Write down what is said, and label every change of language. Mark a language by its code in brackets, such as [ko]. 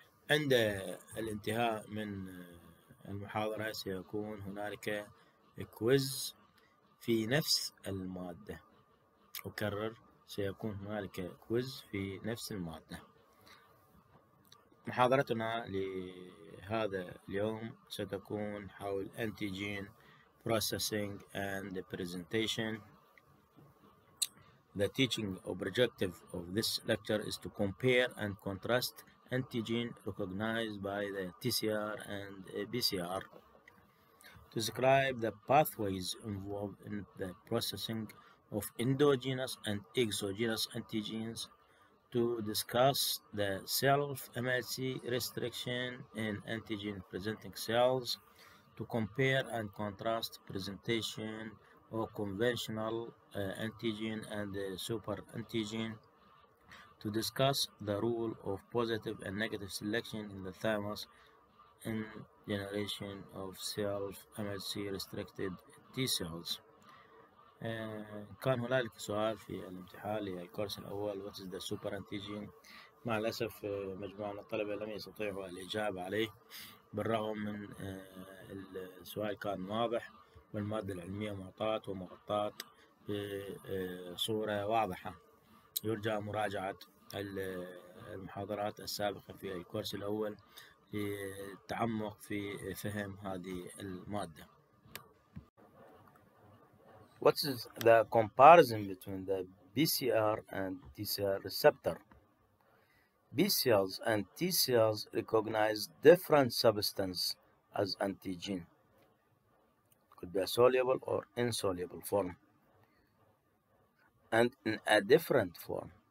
[ar] عند الانتهاء من المحاضرة سيكون هنالك كويز في نفس المادة. أكرر، سيكون هنالك كويز في نفس المادة. محاضرتنا لهذا اليوم ستكون حول [en] antigen processing and presentation. The teaching objective of this lecture is to compare and contrast antigen recognized by the TCR and PCR, to describe the pathways involved in the processing of endogenous and exogenous antigens, to discuss the self-MHC restriction in antigen-presenting cells, to compare and contrast presentation or conventional antigen and super antigen, to discuss the role of positive and negative selection in the thymus in generation of self-MHC restricted T cells. [ar] كان هنالك سؤال في الامتحان للكورس الأول، [en] what is the super antigen؟ [ar] مع الأسف مجموعة من الطلبة لم يستطيعوا الإجابة عليه، بالرغم من السؤال كان واضح والمادة العلمية معطاة ومغطاة بصورة واضحة. يرجى مراجعة المحاضرات السابقة في الكورس الأول للتعمق في فهم هذه المادة. [en] What is the comparison between the PCR and TCR receptor? B cells and T cells recognize different substances as antigen. Could be a soluble or insoluble form, and in a different form.